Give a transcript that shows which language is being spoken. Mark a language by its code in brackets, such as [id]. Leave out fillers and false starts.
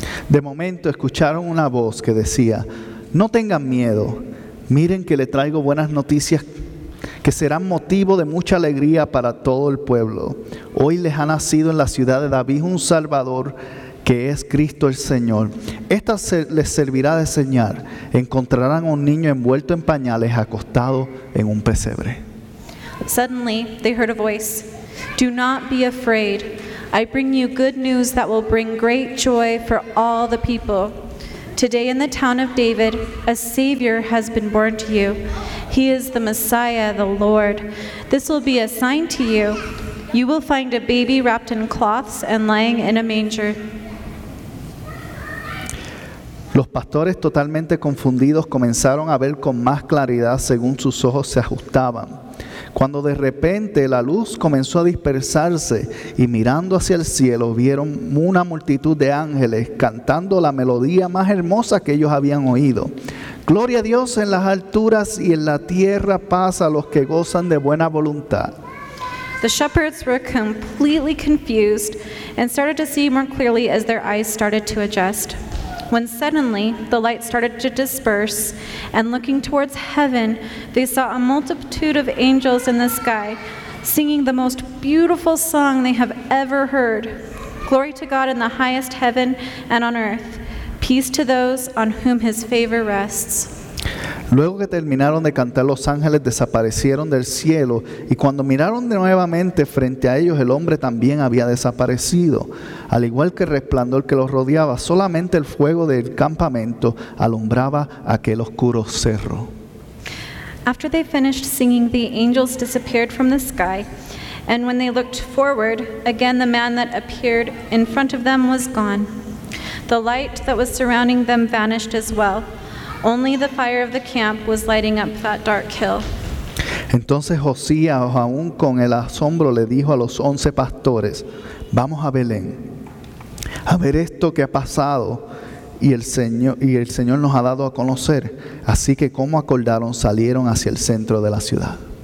[es] De momento escucharon una voz que decía, "No tengan miedo. Miren que le traigo buenas noticias que serán motivo de mucha alegría para todo el pueblo. Hoy les ha nacido en la ciudad de David un Salvador que es Cristo el Señor. Esta les servirá de señal. Encontrarán un niño envuelto en pañales acostado en un pesebre." [en] Suddenly, they heard a voice. "Do not be afraid. I bring you good news that will bring great joy for all the people. Today in the town of David, a Savior has been born to you. He is the Messiah, the Lord. This will be a sign to you. You will find a baby wrapped in cloths and lying in a manger." [es] Los pastores, totalmente confundidos, comenzaron a ver con más claridad según sus ojos se ajustaban. Cuando de repente la luz comenzó a dispersarse y mirando hacia el cielo vieron una multitud de ángeles cantando la melodía más hermosa que ellos habían oído. "Gloria a Dios en las alturas y en la tierra paz a los que gozan de buena voluntad." [en] The shepherds were completely confused and started to see more clearly as their eyes started to adjust. When suddenly the light started to disperse, and looking towards heaven, they saw a multitude of angels in the sky singing the most beautiful song they have ever heard. "Glory to God in the highest heaven and on earth. Peace to those on whom his favor rests." [es] Luego que terminaron de cantar, los ángeles desaparecieron del cielo, y cuando miraron nuevamente frente a ellos, el hombre también había desaparecido, al igual que el resplandor que los rodeaba. Solamente el fuego del campamento alumbraba aquel oscuro cerro. [en] After they finished singing, the angels disappeared from the sky, and when they looked forward, again the man that appeared in front of them was gone. The light that was surrounding them vanished as well. Only the fire of the camp was lighting up that dark hill. [es] Entonces Josías, aún con el asombro, le dijo a los 11 pastores, "Vamos a Belén a ver esto que ha pasado y el Señor nos ha dado a conocer." Así que, como acordaron, salieron hacia el centro de la ciudad.